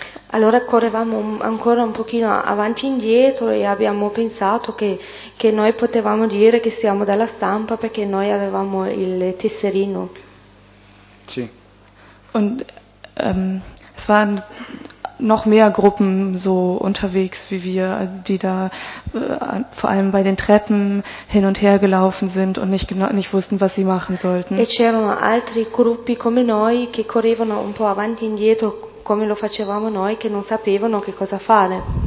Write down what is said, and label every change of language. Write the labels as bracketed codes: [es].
[it] Allora correvamo ancora un pochino avanti e indietro e abbiamo pensato che noi potevamo dire che siamo dalla stampa perché noi avevamo il tesserino. Sì. [de] Und es waren noch mehr Gruppen so unterwegs wie wir, die da vor allem bei den Treppen hin und her gelaufen sind und nicht wussten, was sie machen sollten. [it] E c'erano altri gruppi come noi che correvano un po' avanti e indietro come lo facevamo noi, che non sapevano che cosa fare.